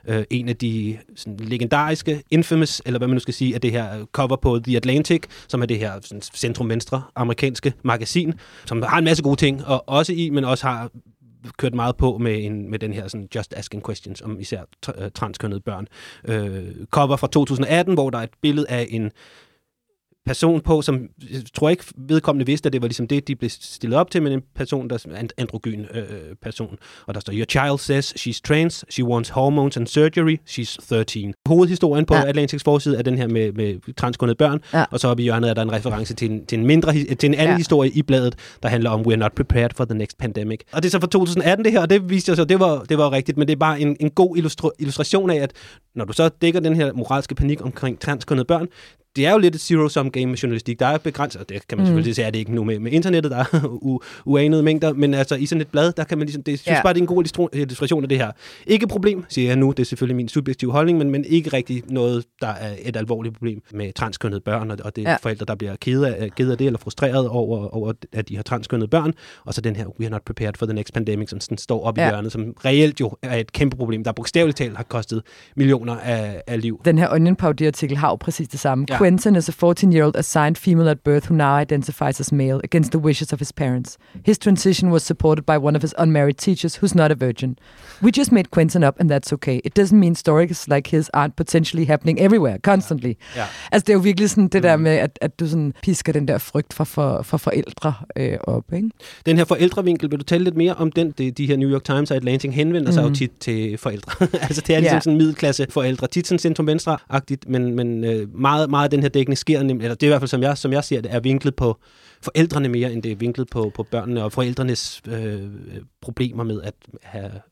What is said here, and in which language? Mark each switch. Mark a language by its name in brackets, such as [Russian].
[Danish] En af de sådan legendariske, infamous, eller hvad man nu skal sige, er det her cover på The Atlantic, som er det her sådan centrum-venstre amerikanske magasin, som har en masse gode ting, og også i, men også har kørt meget på med den her sådan [English] just asking questions [Danish] om især transkønnede børn. Cover fra 2018, hvor der er et billede af en person på, som tror ikke vedkommende vidste, at det var ligesom det, de blev stillet op til, men en person, der er androgyn person. Og der står, [English] "Your child says she's trans, she wants hormones and surgery, she's 13. [Danish] Hovedhistorien på Atlantics forside er den her med transkønnede børn, og så oppe i hjørnet er der en reference til en anden historie i bladet, der handler om, [English] "We're not prepared for the next pandemic." [Danish] Og det er så fra 2018 det her, og det viste sig, det var rigtigt, men det er bare en god illustration af, at når du så dækker den her moralske panik omkring transkønnede børn, det er jo lidt et zero-sum game med journalistik. Der er begrænset, det kan man selvfølgelig sige, at det ikke nu med internettet, der er uanede mængder, men altså i sådan et blad, der kan man ligesom, synes bare, det er en god illustration af det her. Ikke et problem, siger jeg nu, det er selvfølgelig min subjektive holdning, men ikke rigtig noget, der er et alvorligt problem med transkønnede børn, og det er forældre, der bliver ked af det, eller frustreret over, at de har transkønnede børn, og så den her, [English] "We are not prepared for the next pandemic," [Danish] som sådan står op i hjørnet, som reelt jo er et kæmpe problem, der bogstaveligt talt har kostet millioner af liv. Den her Onion Powder-artikel har jo præcis det samme. [English] "Quentin is a 14-year-old assigned female at birth who now identifies as male against the wishes of his parents. His transition was supported by one of his unmarried teachers who's not a virgin. We just made Quentin up and that's okay. It doesn't mean stories like his aren't potentially happening everywhere, constantly." Yeah. [Danish] Altså, det er jo virkelig sådan det der med, at du sådan pisker den der frygt for forældre op, ikke? Den her forældrevinkel, vil du tale lidt mere om den? De her New York Times og Atlantic henvender sig jo tit til forældre. Altså, det er ligesom sådan middelklasse forældre. Tit sådan centrum-venstre-agtigt, men meget, meget af den her dækning sker nemlig, eller det er i hvert fald, som jeg ser det, er vinklet på forældrene mere, end det er vinklet på børnene og forældrenes problemer med at have...